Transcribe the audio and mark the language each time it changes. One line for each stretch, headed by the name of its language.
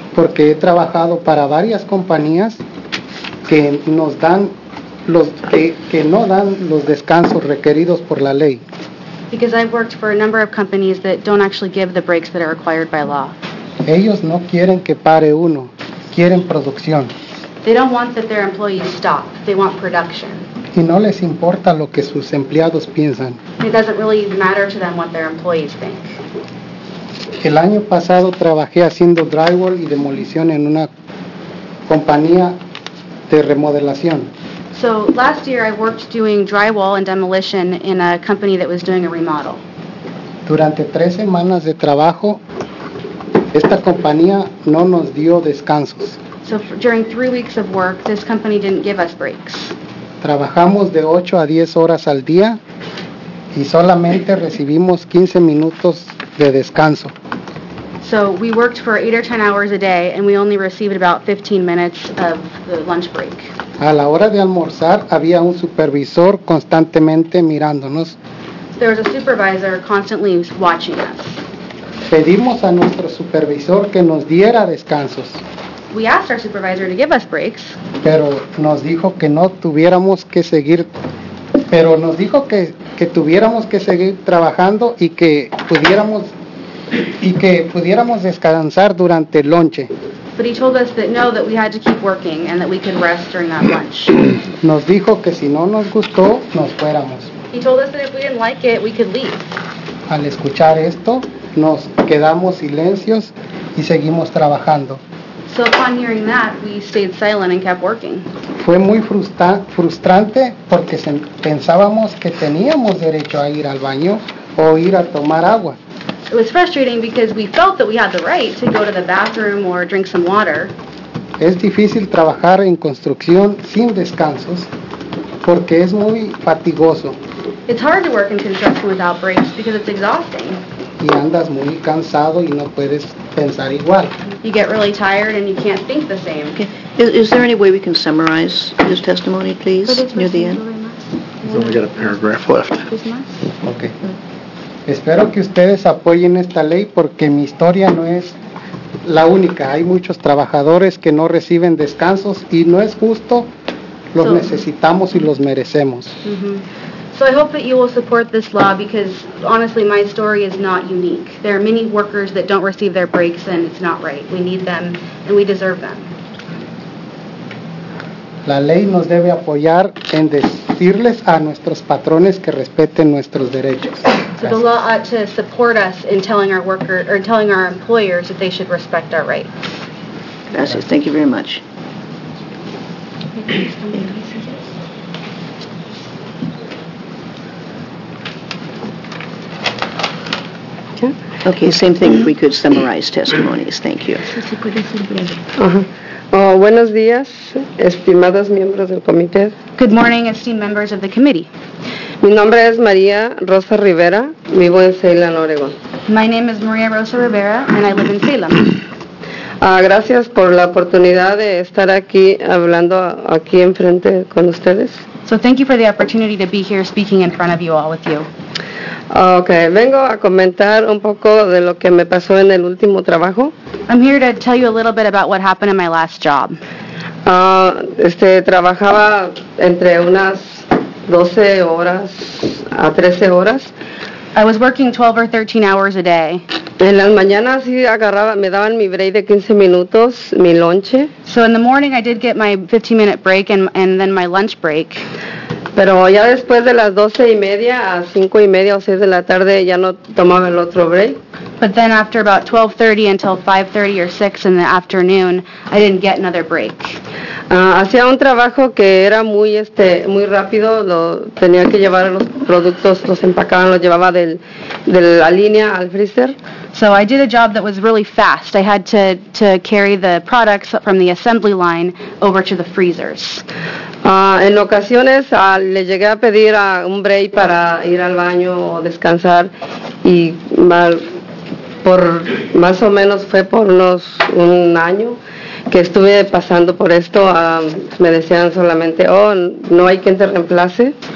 Spanish: Porque he trabajado para varias compañías que nos dan los que no dan los descansos requeridos por la ley.
English: Because I've worked for a number of companies that don't actually give the breaks that are required by law.
Spanish: Ellos no quieren que pare uno, quieren producción.
English: They don't want that their employees stop, they want production.
Spanish: Y no les importa lo que sus empleados piensan.
English: It doesn't really matter to them what their employees think.
Spanish: El año pasado trabajé haciendo drywall y demolición en una compañía de remodelación.
English: So last year I worked doing drywall and demolition in a company that was doing a remodel.
Spanish: Durante tres semanas de trabajo, esta compañía no nos dio descansos.
English: So during 3 weeks of work, this company didn't give us breaks.
Spanish: Trabajamos de 8 a 10 horas al día y solamente recibimos 15 minutos de descanso.
English: So we worked for 8 or 10 hours a day and we only received about 15 minutes of the lunch break.
Spanish: A la hora de almorzar había un supervisor constantemente mirándonos.
English: So there was a supervisor constantly watching us.
Spanish: Pedimos a nuestro supervisor que nos diera descansos.
English: We asked our supervisor to give us breaks.
Spanish: Pero nos dijo que no tuviéramos que seguir. Pero nos dijo que tuviéramos que seguir trabajando y que pudiéramos descansar durante el lonche.
English: But he told us that no, that we had to keep working and that we could rest during that lunch.
Spanish: Nos dijo que si no nos gustó, nos fuéramos.
English: He told us that if we didn't like it, we could leave.
Spanish: Al escuchar esto, nos quedamos silencios y seguimos trabajando.
English: So upon hearing that, we stayed silent and kept working.
Spanish: Fue muy frustrante porque pensábamos que teníamos derecho a ir al baño o ir a tomar agua.
English: It was frustrating because we felt that we had the right to go to the bathroom or drink some water.
Spanish: Es difícil trabajar en construcción sin descansos porque es muy fatigoso.
English: It's hard to work in construction without breaks because it's exhausting.
Spanish: Y andas muy cansado y no puedes pensar igual.
English: You get really tired and you can't think the same. Okay. Is there any way we can summarize his testimony, please, near the end? He's only got a paragraph left. Okay.
Spanish: Espero que ustedes apoyen esta ley porque mi historia no es la única. Hay muchos trabajadores que no reciben descansos y no es justo. Los necesitamos y los merecemos.
English: Mm-hmm. So I hope that you will support this law because, honestly, my story is not unique. There are many workers that don't receive their breaks and it's not right. We need them and we deserve them.
Spanish: La ley nos debe apoyar en decirles a nuestros patrones que respeten nuestros derechos.
English: So the law ought to support us in telling our workers or telling our employers that they should respect our rights.
Spanish: Gracias.
English: Thank you very much. Okay, same thing. If we could summarize testimonies. Thank you.
Spanish: Buenos días, estimados miembros del comité.
English: Good morning, esteemed members of the committee.
Spanish: Mi nombre es María Rosa Rivera, vivo en Salem, Oregon.
English: My name is María Rosa Rivera, and I live in Salem.
Spanish: Gracias por la oportunidad de estar aquí hablando aquí enfrente con ustedes.
English: So thank you for the opportunity to be here speaking in front of you all with you.
Spanish: Okay, vengo a comentar un poco de lo que me pasó en el último trabajo.
English: I'm here to tell you a little bit about what happened in my last job.
Spanish: Trabajaba entre unas 12 horas a 13 horas.
English: I was working 12 or 13 hours a day.
Spanish: En las mañanas sí agarraba, me daban mi break de 15 minutos, mi lonche.
English: So in the morning I did get my 15 minute break and then my lunch break.
Spanish: Pero ya después de las 12 y media a 5 y media o 6 de la tarde ya no tomaba el otro break.
English: But then after about 12:30 until 5:30 or 6 in the afternoon, I didn't get another break.
Spanish: Hacía un trabajo que era muy muy rápido, lo tenía que llevar los productos, los empacaban, los llevaba de la línea al freezer.
English: So I did a job that was really fast. I had to carry the products from the assembly line over to the freezers.
Spanish: En ocasiones le llegué a pedir a un break para ir al baño o descansar y mal por más o menos fue por unos un año que estuve pasando por esto. Me decían solamente, oh, no hay quien te reemplace.